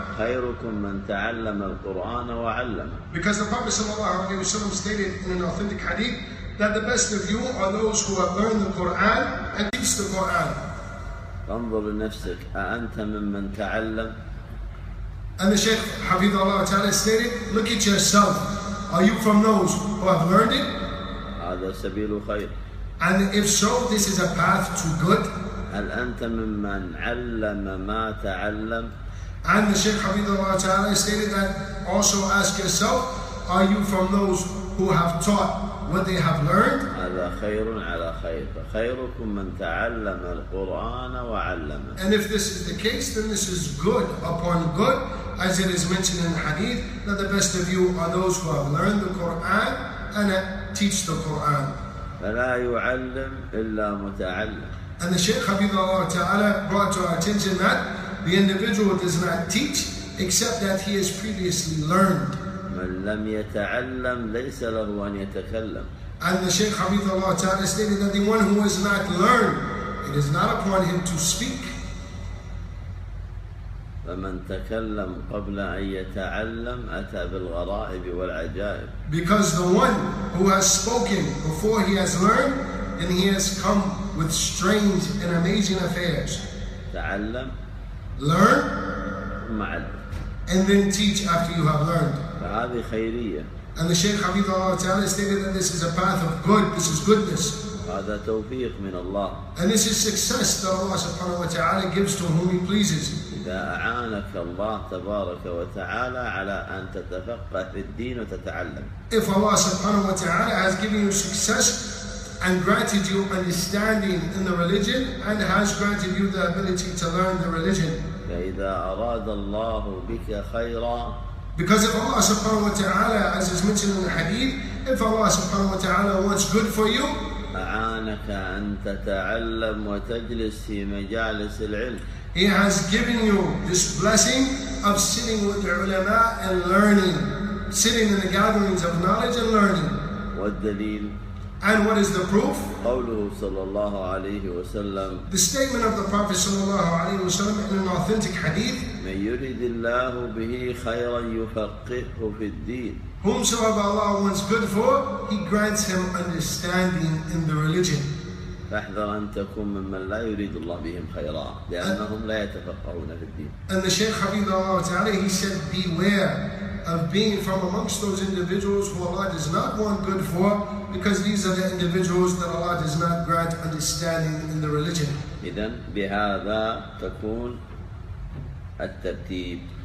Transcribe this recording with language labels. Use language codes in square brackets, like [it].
[ar] خيركم من تعلم القرآن وعلمه. [en] Because the Prophet sallallahu alaihi wasallam stated in an authentic hadith that the best of you are those who have learned the Quran and teach the Quran. [ar] فانظر لنفسك أأنت ممن تعلم. [en] And the Shaykh Hafidhahullah Ta'ala stated, look at yourself. Are you from those who have learned it? [ar] هذا سبيل خير. [en] And if so, this is a path to good. [ar] هل أنت ممن علم ما تعلم؟ [en] And the Shaykh Hafidhahullah Ta'ala stated that also ask yourself, are you from those who have taught what they have learned? [ar] هذا خير على خير. خيركم من تعلم القرآن وعلمه. [en] And if this is the case, then this is good upon good, as it is mentioned in the hadith, that the best of you are those who have learned the Quran and teach the Quran. [ar] فلا يعلم إلا متعلم. [en] And the Shaykh Hafidhahullah Ta'ala brought to our attention that the individual does not teach except that he has previously learned. [ar] من لم يتعلم ليس له أن يتكلم. [en] And the Shaykh Hafidhahullah Ta'ala stated that the one who has not learned, it is not upon him to speak. [ar] فمن تكلم قبل أن يتعلم أتى بالغرائب والعجائب. [en] Because the one who has spoken before he has learned, then he has come with strange and amazing affairs. [ar] تعلم. [en] Learn. [ar] ثم علم. [en] And then teach after you have learned. [ar] فهذه خيرية. [en] And the Shaykh Hafidhahullah Ta'ala stated that this is a path of good, this is goodness. [ar] هذا توفيق من الله. [en] And this is success that Allah subhanahu wa ta'ala gives to whom He pleases. [ar] إذا أعانك الله تبارك وتعالى على أن تتفقه في الدين وتتعلم. [en] If Allah subhanahu wa ta'ala has given you success and granted you understanding in the religion and has granted you the ability to learn the religion. [ar] فإذا أراد الله بك خيرا. [en] Because if Allah subhanahu wa ta'ala, as is mentioned in the hadith, if Allah subhanahu wa ta'ala wants good for you, [ar] أَعَانَكَ أَن تَتَعَلَّمْ وَتَجْلِسْ فِي مَجَالِسِ الْعِلْمِ. [en] He has given you this blessing of sitting with the ulama and learning, sitting in the gatherings of knowledge and learning. [ar] والدليل. [en] And what is the proof? [ar] قوله صلى الله عليه وسلم. [en] The statement of the Prophet [ar] صلى الله عليه وسلم [en] in an authentic hadith. [ar] من يريد الله به خيرا يفقهه في الدين. [en] Whomsoever Allah wants good for, He grants him understanding in the religion. [ar] فاحذر أن تكون ممن لا يريد الله بهم خيرا لأنهم لا يتفقهون في الدين. [en] And the Shaykh Hafidhahullah Ta'ala, he said, beware of being from amongst those individuals who Allah does not want good for, because these are the individuals that Allah does not grant understanding in the religion. [ar] إذن بهذا تكون الترتيب.